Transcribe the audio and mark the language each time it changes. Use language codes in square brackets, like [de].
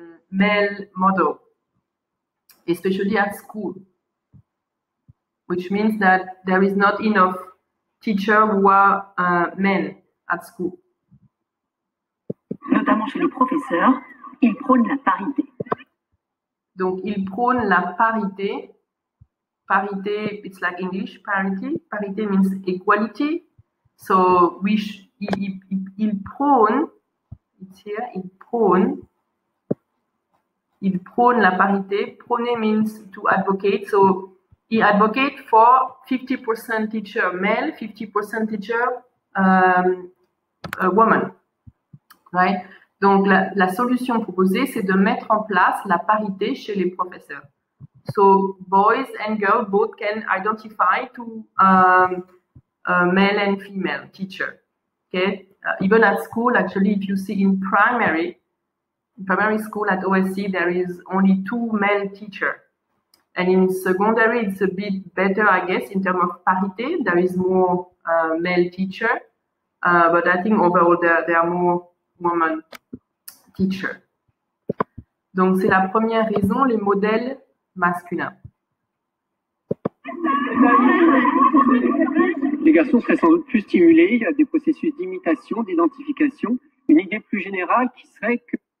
[en] male model, especially at school, which means that there is not enough teachers who are men at school. [fr] Notamment chez le professeur, il prône la parité. Donc, il prône la parité. Parité, [en] it's like English, parity. Parité means equality. So, [fr] il prône la parité. [en] Prôner means to advocate. So, he advocates for 50% teacher male, 50% teacher woman. Right? [fr] Donc, la solution proposée, c'est de mettre en place la parité chez les professeurs. [en] So, boys and girls both can identify to male and female teacher. Okay? Even at school, actually, if you see in primary school at OSC, there is only two male teachers. And in secondary, it's a bit better, I guess, in terms of parité. There is more male teacher. But I think overall, there are more women teacher. [fr] Donc, c'est la première raison, les modèles masculins. Les garçons seraient sans doute plus stimulés à des processus d'imitation, d'identification. Une idée plus générale qui serait que...